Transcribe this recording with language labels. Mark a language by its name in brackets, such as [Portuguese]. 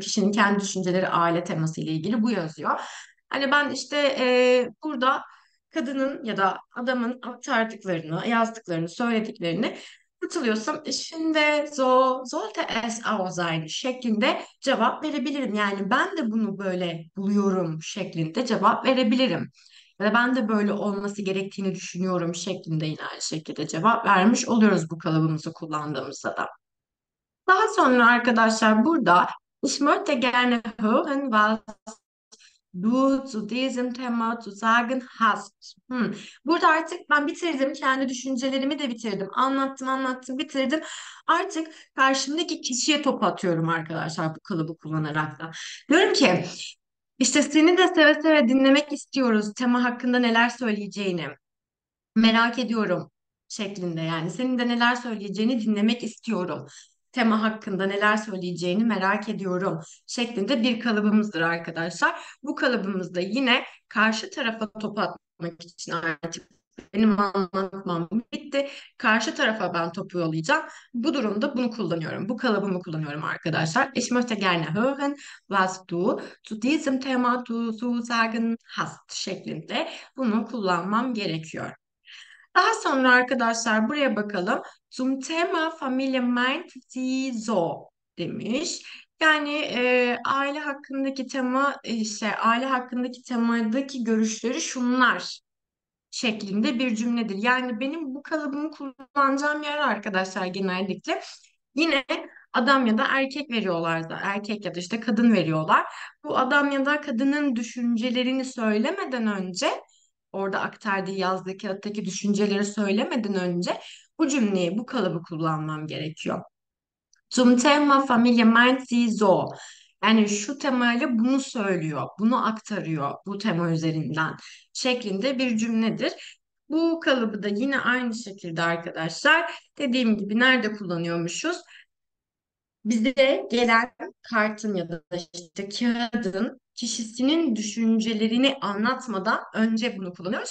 [Turkish] Kişinin kendi düşünceleri aile teması ile ilgili bu yazıyor. Hani ben işte burada kadının ya da adamın aktardıklarını, yazdıklarını, söylediklerini katılıyorsam şimdi [German] sollte es auch sein [Turkish] şeklinde cevap verebilirim. Yani ben de bunu böyle buluyorum şeklinde cevap verebilirim. Ya da ben de böyle olması gerektiğini düşünüyorum şeklinde yine aynı şekilde cevap vermiş oluyoruz bu kalıbımızı kullandığımızda da. Daha sonra arkadaşlar burada [German] ich möchte gerne hören was du zu diesem Thema zu sagen hast. [Turkish] Burada artık ben bitirdim. Kendi düşüncelerimi de bitirdim. Anlattım, anlattım, bitirdim. Artık karşımdaki kişiye top atıyorum arkadaşlar bu kalıbı kullanarak da. Diyorum ki işte seni de seve seve dinlemek istiyoruz. Tema hakkında neler söyleyeceğini merak ediyorum şeklinde yani. Senin de neler söyleyeceğini dinlemek istiyorum. Tema hakkında neler söyleyeceğini merak ediyorum şeklinde bir kalıbımızdır arkadaşlar. Bu kalıbımızda yine karşı tarafa top atmak için artık benim anlatmam bitti. Karşı tarafa ben topu yollayacağım. Bu durumda bunu kullanıyorum. Bu kalıbımı kullanıyorum arkadaşlar. [German] Ich möchte gerne hören, was du zu diesem Thema zu sagen hast [Turkish] şeklinde bunu kullanmam gerekiyor. Daha sonra arkadaşlar buraya bakalım. [German] Zum Thema Familie meint sie so demiş. [Turkish] Yani aile hakkındaki tema işte aile hakkındaki temadaki görüşleri şunlar şeklinde bir cümledir. Yani benim bu kalıbımı kullanacağım yer arkadaşlar genellikle yine adam ya da erkek veriyorlar da erkek ya da işte kadın veriyorlar. Bu adam ya da kadının düşüncelerini söylemeden önce orada aktardığı yazdığı kağıttaki düşünceleri söylemeden önce bu cümleyi, bu kalıbı kullanmam gerekiyor. [German] Zum Thema Familie meint sie so. [Turkish] Yani şu temayla bunu söylüyor, bunu aktarıyor bu tema üzerinden şeklinde bir cümledir. Bu kalıbı da yine aynı şekilde arkadaşlar dediğim gibi nerede kullanıyormuşuz? Bize gelen kartın ya da işte kağıdın kişisinin düşüncelerini anlatmadan önce bunu kullanıyoruz.